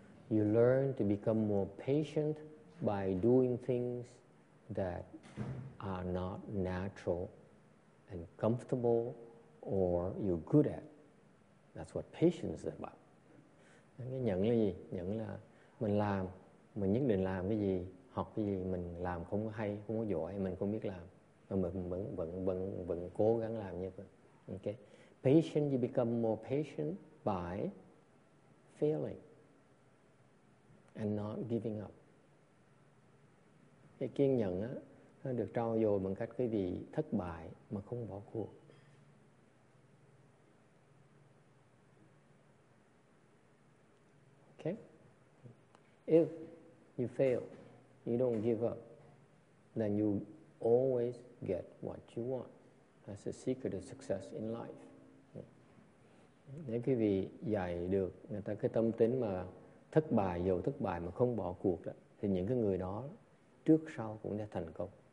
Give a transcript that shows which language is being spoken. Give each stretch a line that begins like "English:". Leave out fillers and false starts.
English: You learn to become more patient by doing things that are not natural and comfortable or you're good at. That's what patience is about.
Vietnamese: Cái nhẫn là gì? Nhẫn là mình làm, mình nhất định làm cái gì, học cái gì, mình làm không có hay, không có giỏi, mình không biết làm. Mình vẫn cố gắng làm như vậy.
English: Okay. Patient, you become more patient by failing and not giving up.
Vietnamese: Cái kiên nhẫn á, nó được trau dồi bằng cách quý vị thất bại mà không bỏ cuộc.
English: Okay? If you fail, you don't give up, then you always get what you want. That's the secret of success in life.
Vietnamese: Nếu quý vị dạy được người ta cái tâm tính mà thất bại, dù thất bại mà không bỏ cuộc đó, thì những cái người đó trước sau cũng sẽ thành công.